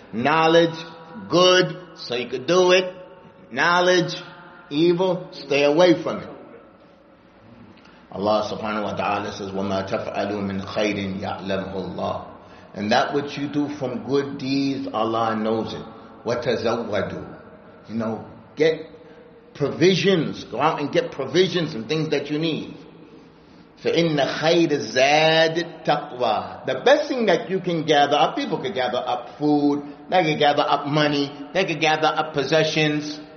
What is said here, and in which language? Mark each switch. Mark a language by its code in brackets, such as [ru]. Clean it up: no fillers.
[en] Knowledge, good, so you could do it. Knowledge, evil, stay away from it. Allah subhanahu wa ta'ala says, [ar] وَمَا تَفْعَلُ مِنْ خَيْرٍ يَعْلَمُهُ اللَّهِ. [en] And that which you do from good deeds, Allah knows it. وَتَزَوَّدُ. You know, get provisions. Go out and get provisions and things that you need. [ar] فَإِنَّ خَيْرِ زَادِ التَّقْوَى. [en] The best thing that you can gather up, people could gather up food, they could gather up money, they could gather up possessions.